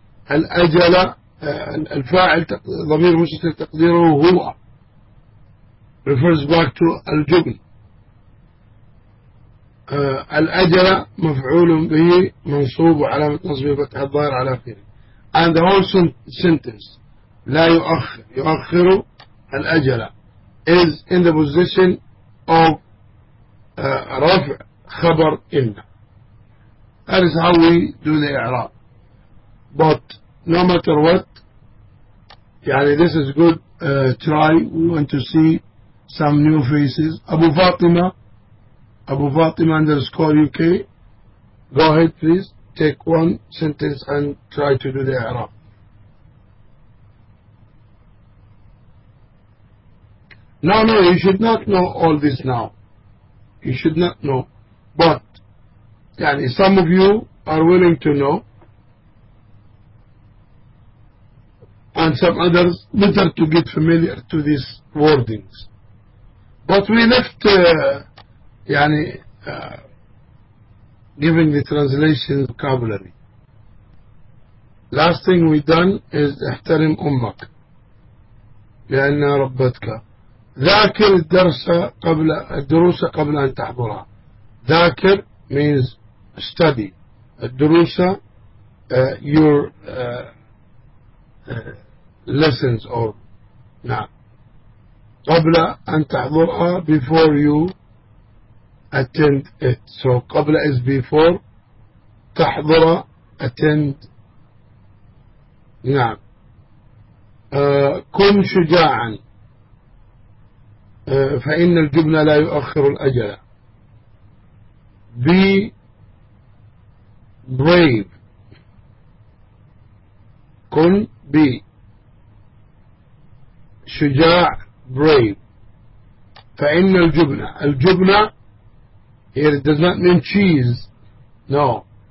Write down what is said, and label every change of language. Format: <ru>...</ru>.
<ar>الأجل الفاعل ضمير مستتر تقديره هو،</ar> <en>refers back to</en> <ar>الجبن. الأجل مفعول به منصوب وعلامة نصبه الفتحة الظاهرة على آخره.</ar> <en>And the whole sentence</en> <ar>لا يؤخر، يؤخر الأجل</ar> <en>is in the position of</en> <ar>رفع خبر إن.</ar> <en>That is how we do the إعراب. But no matter what يعني this is good try. We want to see some new faces. أبو فاطمة، أبو فاطمة _ UK go ahead please. Take one sentence and try to do the i'rab. No, you should not know all this now. You should not know. But yani some of you are willing to know and some others better to get familiar to these wordings. But we left giving the translation vocabulary. Last thing we done is</en> <ar>احترم أمك لأنها ربتك، ذاكر الدروس قبل أن تحضرها.</ar> <en>ذاكر means study، الدروس your lessons or نعم</en> <ar>قبل أن تحضرها</ar> <en>before you attend it. So قبل is before، تحضر attend.</en> <ar>نعم. كن شجاعا فإن الجبن لا يؤخر الأجل.</ar> <en>Be brave، كن be شجاع brave.</en> <ar>فإن الجبن،</ar> <en>الجبن here does not mean cheese. No.</en>